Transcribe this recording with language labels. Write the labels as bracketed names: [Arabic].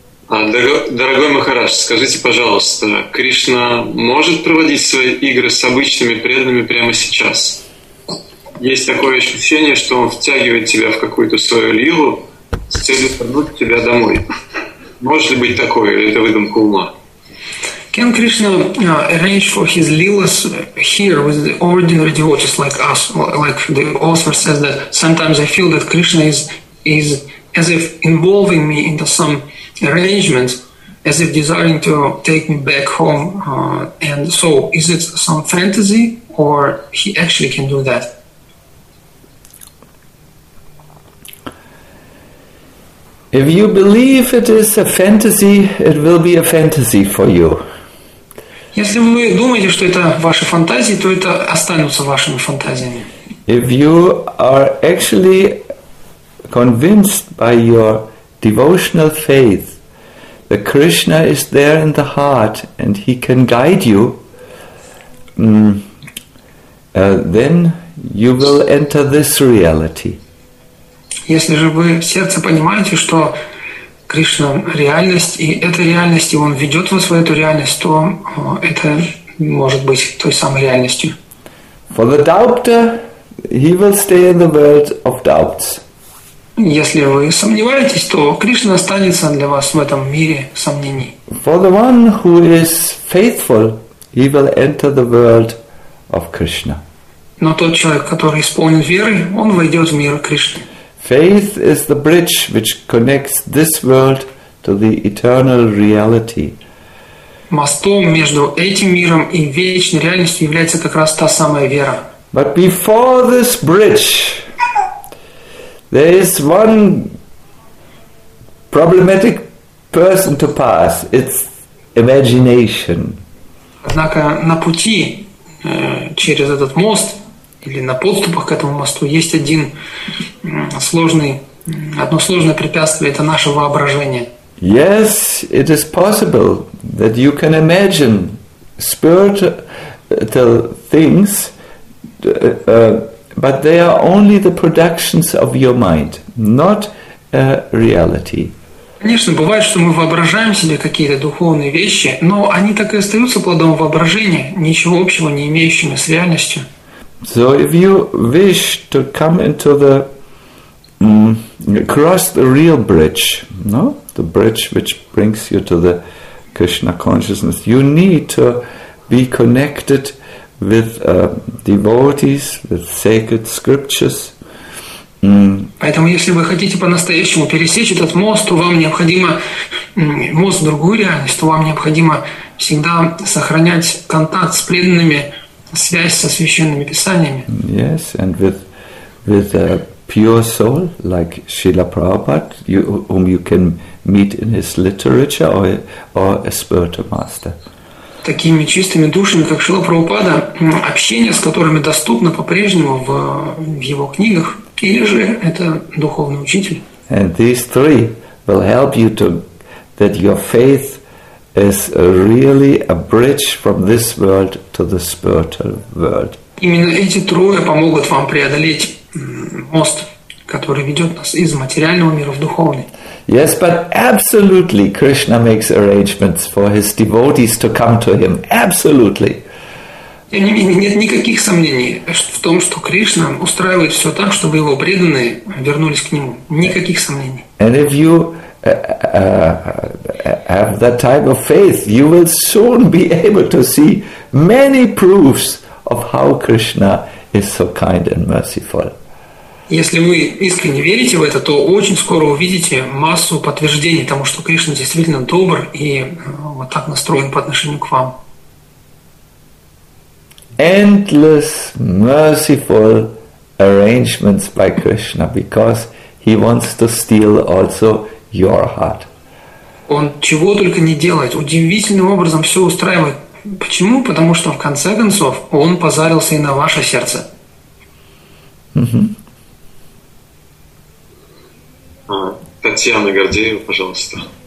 [Russian] Дорогой Махарадж, скажите, пожалуйста, Кришна может проводить свои игры с обычными преданными прямо сейчас? Есть такое ощущение, что он втягивает тебя в какую-то свою лилу с целью вернуть тебя домой. Может ли быть такое, или это выдумка ума? [English] Can Krishna arrange for his lilas here with the ordinary devotees like us? Like the author says that sometimes I feel that Krishna is as if involving me into some arrangement, as if desiring to take me back home. And so, is it some fantasy, or he actually can do that? If you believe it is a fantasy, it will be a fantasy for you. [Russian] Если вы думаете, что это ваши фантазии, то это останутся вашими фантазиями. [English] If you are actually convinced by your devotional faith that Krishna is there in the heart and he can guide you, then you will enter this reality. [Russian] Если же вы в сердце понимаете, что Кришна – реальность, и эта реальность, и Он ведет вас в эту реальность, то это может быть той самой реальностью. [English] For the doubter, he will stay in the world of doubts. [Russian] Если вы сомневаетесь, то Кришна останется для вас в этом мире сомнений. [English] For the one who is faithful, he will enter the world of Krishna. [Russian] Но тот человек, который исполнен верой, он войдет в мир Кришны. [English] Faith is the bridge which connects this world to the eternal reality. [Russian] Мостом между этим миром и вечной реальностью является как раз та самая вера. [English] But before this bridge, there is one problematic person to pass. It's imagination. [Russian] Однако на пути через этот мост или на подступах к этому мосту есть одно сложное препятствие – это наше воображение. [English] Yes, it is possible that you can imagine spiritual things, but they are only the productions of your mind, not a reality. [Russian] Конечно, бывает, что мы воображаем себе какие-то духовные вещи, но они так и остаются плодом воображения, ничего общего не имеющими с реальностью. [English] So if you wish to come into the cross the real bridge, no? The bridge which brings you to the Krishna consciousness, you need to be connected with devotees, with sacred scriptures. [Russian] Поэтому если вы хотите по-настоящему пересечь этот мост, то вам необходимо мост в другую реальность, то вам необходимо всегда сохранять контакт с преданными. Связь со священными писаниями. [English] Yes, and with a pure soul like Srila Prabhupada, whom you can meet in his literature or a spiritual master. [Russian] Такими чистыми душами, как Шрила Прабхупада, общение с которыми доступно по-прежнему в его книгах, или же это духовный учитель. [English] And these three will help you to that your faith is really a bridge from this world to the spiritual world. [Russian] Именно эти трое помогут вам преодолеть мост, который ведет нас из материального мира в духовный. [English] Yes, but absolutely Krishna makes arrangements for his devotees to come to him. Absolutely. [Russian] Тем не менее, нет никаких сомнений в том, что Кришна устраивает все так, чтобы его преданные вернулись к нему. Никаких сомнений. [English] And if you have that type of faith, you will soon be able to see many proofs of how Krishna is so kind and merciful. [Russian] Если вы искренне верите в это, то очень скоро увидите массу подтверждений тому, что Кришна действительно добр и вот так настроен по отношению к вам. [English] Endless merciful arrangements by Krishna, because he wants to steal also your heart. [Russian] Он чего только не делает, удивительным образом все устраивает Почему? Потому что в конце концов он позарился и на ваше сердце. Угу. Татьяна Гордеева, пожалуйста.